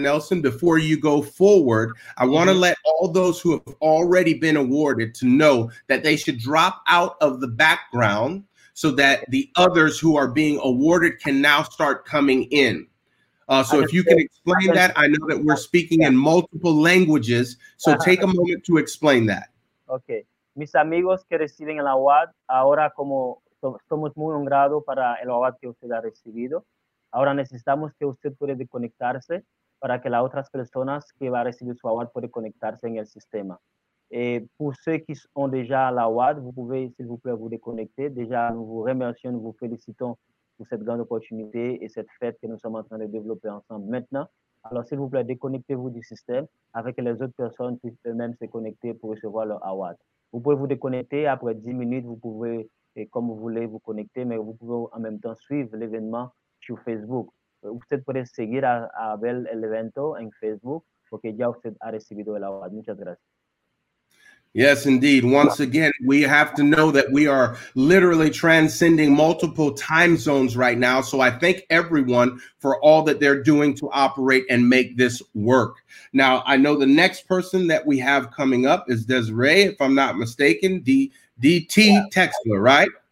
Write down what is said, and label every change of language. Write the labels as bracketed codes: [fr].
[en] Nelson, before you go forward, I want to let all those who have already been awarded to know that they should drop out of the background so that the others who are being awarded can now start coming in. So if you can explain that, I know that we're speaking in multiple languages. So take a moment to explain that. Okay. [es] Mis amigos que reciben el award, ahora como somos muy honrados para el award que usted ha recibido, ahora necesitamos que usted pueda conectarse para que las otras personas que va a recibir su award puedan conectarse en el sistema. [fr] Pour ceux qui ont déjà l'award, vous pouvez, s'il vous plaît, vous déconnecter. Déjà, nous vous remercions, nous vous félicitons pour cette grande opportunité et cette fête que nous sommes en train de développer ensemble maintenant. Alors, s'il vous plaît, déconnectez-vous du système avec les autres personnes qui peuvent même se connecter pour recevoir leur award. Vous pouvez vous déconnecter. Après 10 minutes, vous pouvez, comme vous voulez, vous connecter, mais vous pouvez en même temps suivre l'événement sur Facebook. Vous pouvez suivre Abel Evento en Facebook pour que vous ayez reçu l'award. [es] Muchas gracias. [en] Yes, indeed. Once again, we have to know that we are literally transcending multiple time zones right now. So I thank everyone for all that they're doing to operate and make this work. Now, I know the next person that we have coming up is Desiree, if I'm not mistaken, DT Texler, right?